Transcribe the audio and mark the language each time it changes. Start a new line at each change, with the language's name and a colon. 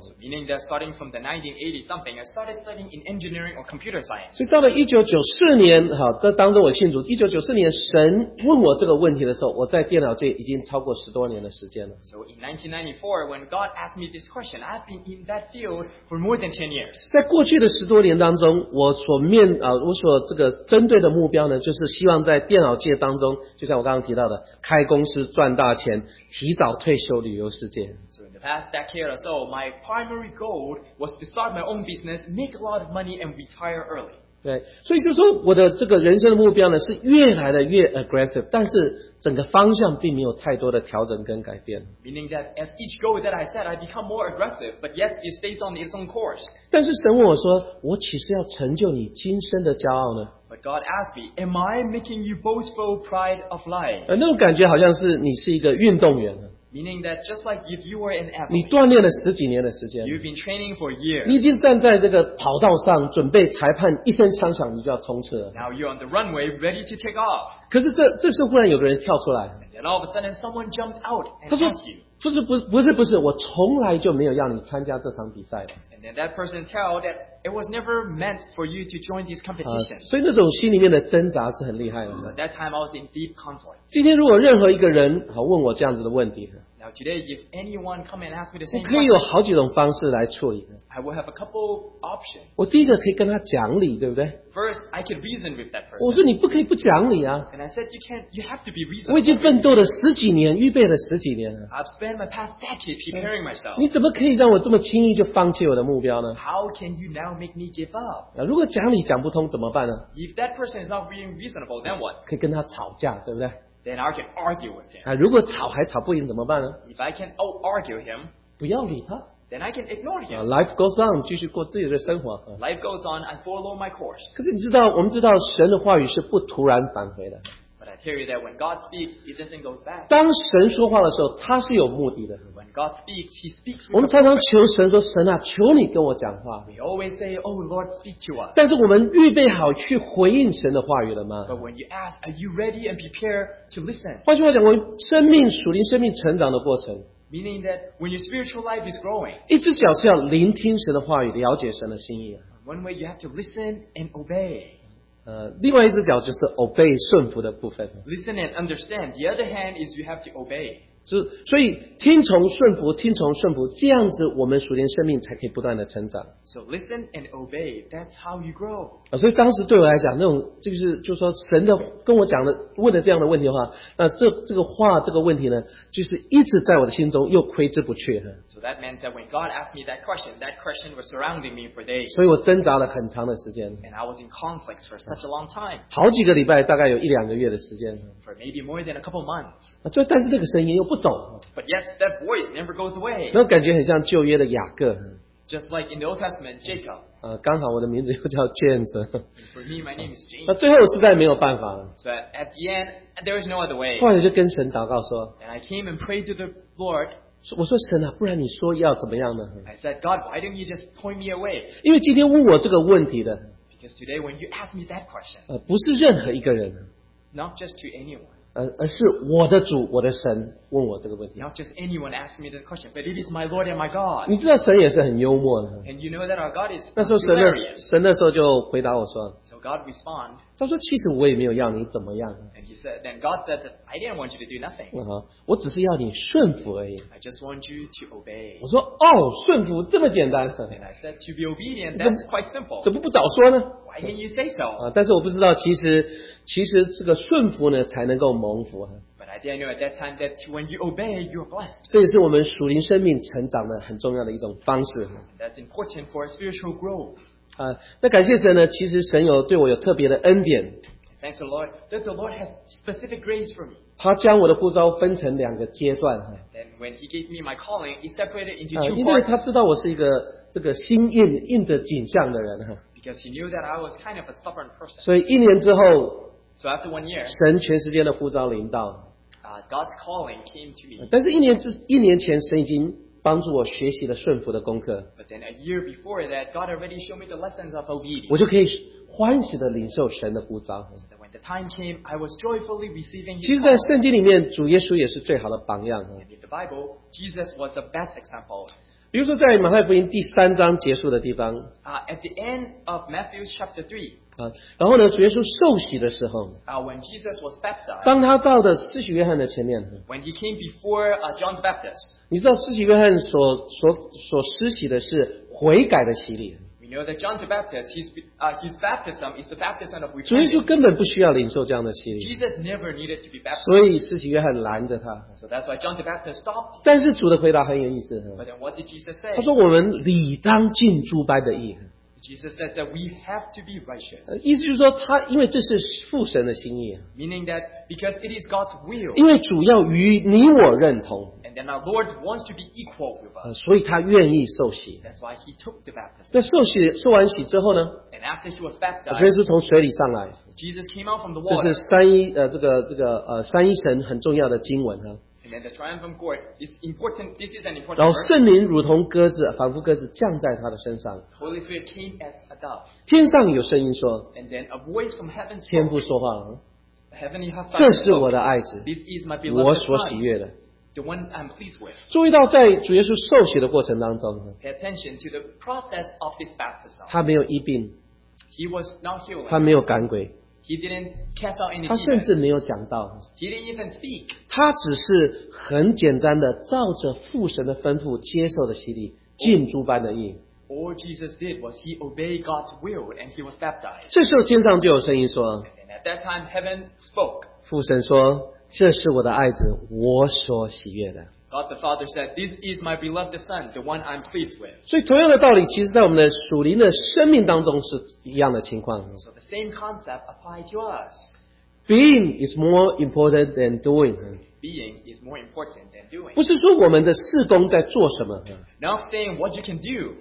English: So meaning that starting from the 1980 something, I started studying in engineering or computer science.
Chinese: 所以到了1994年,好,这当着我信主, 1994年神问我这个问题的时候,我在电脑界已经超过10多年的时间了。
English: So in 1994, when God asked me this question, I've been in that field for more than 10 years.
Chinese: 在过去的10多年当中,我所针对的目标 就是希望在电脑界当中，就像我刚刚提到的，开公司赚大钱，提早退休旅游世界。
English: So in the past decade or so, my primary goal was to start my own business, make a lot of money, and retire early.
Chinese: 对，所以就是说我的这个人生的目标呢，是越来的越 aggressive，但是整个方向并没有太多的调整跟改变。
English: Meaning that as each goal that I set, I become more aggressive, but yet it stays on its own course.
Chinese: 但是神问我说，我岂是要成就你今生的骄傲呢？
English: But God asked me, am I making you boastful pride of life?
Chinese: 那种感觉好像是你是一个运动员。
English: Meaning that just like if you were an athlete,
Chinese: 你锻炼了十几年的时间,
English: you've been training for years.
Chinese: 你已经站在这个跑道上准备裁判一声枪响, 你就要冲刺了。
English: Now you're on the runway ready to take off.
Chinese: 可是这时忽然有个人跳出来。
English: And then all of a sudden someone jumped out and
Chinese: 他说,
English: asked you.
Chinese: 不是, 我从来就没有让你参加这场比赛的。
English: And then that person tell that it was never meant for you to join this competition.
Chinese: 所以那种心里面的挣扎是很厉害的。
English: So at that time I was in deep conflict.
Chinese: 今天如果任何一个人, 问我这样子的问题,
English: Now today if anyone come and ask me the same
Chinese: 我可以有好几种方式来处理。
English: I will have a couple options.
Chinese: 我第一个可以跟他讲理,
English: First, I can reason with that person.
Chinese: 我说你不可以不讲理啊。
English: And I said you can't, you have to be reasonable.
Chinese: 我已经奋斗了十几年, 预备了十几年了。
English: I've spent my past decade preparing myself.
Chinese: 你怎么可以让我这么轻易就放弃我的目标呢?
English: How can you now make me give up?
Chinese: 如果讲理讲不通怎么办呢?
English: If that person is not being reasonable, then what?
Chinese: 可以跟他吵架,
English: Then I can argue with him.
Chinese: 如果吵还吵不赢怎么办呢?
English: If I can out-argue him,
Chinese: 不要理他。
English: Then I can ignore him. Life goes on,
Chinese: 继续过自己的生活。
English: Life goes on, I follow my course.
Chinese: 可是你知道, 我们知道神的话语是不突然返回的。
English: But I tell you that when God speaks, it doesn't go back.
Chinese: 当神说话的时候, 祂是有目的的。
English: When God speaks, He speaks with
Chinese: 我们常常求神说, 神啊, 求你跟我讲话。
English: We always say, Oh Lord, speak to us.
Chinese: 但是我们预备好去回应神的话语了吗?
English: But when you ask, Are you ready and prepared to listen?
Chinese: 换句话讲, 我们生命, 属灵, 生命成长的过程。
English: Meaning that when your spiritual life is growing,
Chinese: 一只脚是要聆听神的话语, 了解神的心意。
English: One way you have to listen and obey.
Chinese: 另外一只脚就是 obey 顺服的部分。
English: Listen and understand. The other hand is you have to obey.
Chinese: 所以听从顺服, 听从顺服, 这样子我们属灵生命才可以不断的成长。
English: So listen and obey. That's how you grow.
Chinese: 所以当时对我来讲, 那种, 就是说神的跟我讲的, 问的这样的问题的话, 这个话, 这个问题呢, 就是一直在我的心中, 又挥之不去。
English: So that meant that when God asked me that question was surrounding me for days.
Chinese: 所以我挣扎了很长的时间。
English: And I was in conflict for such a long time.
Chinese: 好几个礼拜, 大概有一两个月的时间。
English: For maybe more than a couple months.
Chinese: 但是那个声音又不走。
English: But yet, that voice never goes away.
Chinese: 那感觉很像旧约的雅各。
English: Just like in the Old Testament, Jacob.
Chinese: 刚好我的名字又叫 James.
English: For me, my name is James.
Chinese: 那最后实在没有办法了。
English: But at the end, there is no other way.
Chinese: 后来就跟神祷告说,
English: And I came and prayed to the Lord.
Chinese: 我说神啊, 不然你说要怎么样呢?
English: I said, God, why don't you just point me away?
Chinese: 因为今天问我这个问题的,
English: Because today when you ask me that question,
Chinese: 不是任何一个人,
English: Not just to anyone.
Chinese: 而是我的主, 我的神, 问我这个问题。
English: Not just anyone asked me the question, but it is my Lord and my God.
Chinese: 你知道神也是很幽默的。
English: And you know that our God is
Chinese: 那时候神的,
English: hilarious.
Chinese: 神那时候就回答我说,
English: So God respond.
Chinese: 他说其实我也没有要你怎么样。
English: And he said, then God said, that I didn't want you to do nothing.
Chinese: 我只是要你顺服而已。
English: I just want you to obey.
Chinese: 我说, 哦, 顺服, 这么简单。
English: And I said, to be obedient, that's quite simple.
Chinese: 怎么不早说呢?
English: Why can you say so?
Chinese: 但是我不知道其实这个顺服呢, 才能够蒙福。
English: But I didn't know at that time that when you obey, you're blessed.
Chinese: 这也是我们属灵生命成长的很重要的一种方式。
English: That's important for spiritual growth.
Chinese: 那感谢神呢？其实神有对我有特别的恩典。
English: Thanks the Lord. That the Lord has specific grace for me.
Chinese: 他将我的呼召分成两个阶段。
English: Then when He gave me my calling, He separated into two parts.
Chinese: 因为他知道我是一个这个心硬硬着景象的人。
English: Because He knew that I was kind of a stubborn person.
Chinese: 所以一年之后。
English: So after 1 year.
Chinese: 神全时间的呼召临到。
English: God's calling came to me.
Chinese: 但是一年前神已经帮助我学习了顺服的功课。
English: But then a year before that, God already showed me the lessons of obedience.
Chinese: 我就可以欢喜的领受神的呼召。
English: When the time came, I was joyfully receiving His
Chinese: 其实，在圣经里面，主耶稣也是最好的榜样。
English: And in the Bible, Jesus was the best example.
Chinese: 比如说，在马太福音第三章结束的地方。
English: At the end of Matthew chapter 3.
Chinese: 然后呢，主耶稣受洗的时候。
English: When Jesus was baptized.
Chinese: 当他到的施洗约翰的前面。
English: When he came before John the Baptist.
Chinese: 你知道施洗约翰所施洗的是悔改的洗礼。
English: You know that John the Baptist, his baptism is the baptism of repentance.
Chinese: 主耶稣根本不需要领受这样的洗礼。
English: Jesus never needed to be baptized.
Chinese: 所以施洗约翰拦着他。
English: So that's why John the Baptist stopped.
Chinese: 但是主的回答很有意思。
English: But then what did Jesus say?
Chinese: 他说我们理当尽诸般的义。
English: Jesus said that we have to be righteous.
Chinese: 意思就是说他因为这是父神的心意。
English: Meaning that because it is God's will.
Chinese: 因为主要与你我认同。
English: And our Lord wants to be equal with us.
Chinese: 所以他愿意受洗。
English: That's why he took the baptism.
Chinese: 那受完洗之后呢？
English: And after he was baptized,
Chinese: 主耶稣从水里上来。
English: Jesus came out from the water.
Chinese: 这是三一三一神很重要的经文哈。
English: And then the triumphant God is important. This is an important.
Chinese: 然后圣灵如同鸽子，仿佛鸽子降在他的身上。
English: Holy Spirit came as a dove.
Chinese: 天上有声音说。
English: And then a voice from heaven spoke.
Chinese: 天父说话。
English: Heavenly Father.
Chinese: 这是我的爱子。
English: This is my beloved son.
Chinese: 我所喜悦的。
English: The one I'm pleased with.
Chinese: 注意到在主耶稣受洗的过程当中，
English: Pay attention to the process of this baptism.
Chinese: 他没有医病，
English: He was not healed.
Chinese: 他没有赶鬼，
English: He didn't cast out any demons.
Chinese: 他甚至没有讲道，
English: He didn't even speak.
Chinese: 他只是很简单的照着父神的吩咐接受的洗礼，尽诸般的义。
English: All Jesus did was he obeyed God's will and he was baptized.
Chinese: 这时候天上就有声音说，
English: And at that time heaven spoke.
Chinese: 父神说，这是我的爱子，我所喜悦的。
English: God the Father said, "This is my beloved Son, the one I'm pleased with."
Chinese: 所以同样的道理，其实在我们的属灵的生命当中是一样的情况。
English: So the same concept applies to us. Being is more important than doing. Being is more important than doing.
Chinese: 不是说我们的事工在做什么。 Not saying what you can do.